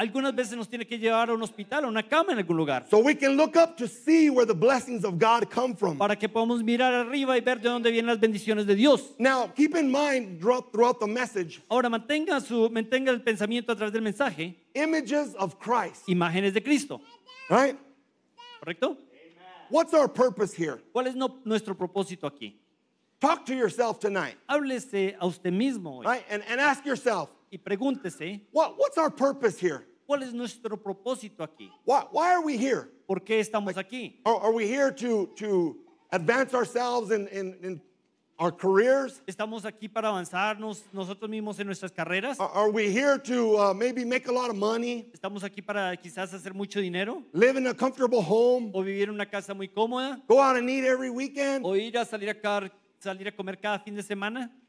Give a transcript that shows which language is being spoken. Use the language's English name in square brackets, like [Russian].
[Spanish] Algunas veces nos tiene que llevar a un hospital o una cama en algún lugar. [English] So we can look up to see where the blessings of God come from. [Spanish] Para que podamos mirar arriba y ver de dónde vienen las bendiciones de Dios. [English] Now keep in mind throughout the message. [Spanish] Ahora mantenga el pensamiento a través del mensaje. [English] Images of Christ. [Spanish] Imágenes de Cristo. [English] Right? [Spanish] ¿Correcto? [English] What's our purpose here? [Spanish] ¿Cuál es nuestro propósito aquí? [English] Talk to yourself tonight. [Spanish] Háblese a usted mismo hoy. [English] Right? And ask yourself. [Spanish] Y pregúntese. [English] What's our purpose here? [Spanish] ¿Cuál es nuestro propósito aquí? [English] Why are we here? [Spanish] ¿Por qué estamos aquí? [English] Are we here to advance ourselves in our careers? [Spanish] ¿Estamos aquí para avanzarnos nosotros mismos en nuestras carreras? [English] Are we here to maybe make a lot of money? [Spanish] ¿Estamos aquí para quizás hacer mucho dinero? [English] Live in a comfortable home? [Spanish] ¿O vivir en una casa muy cómoda? [English] Go out and eat every weekend? [Spanish] ¿O ir a salir a comer cada fin de semana?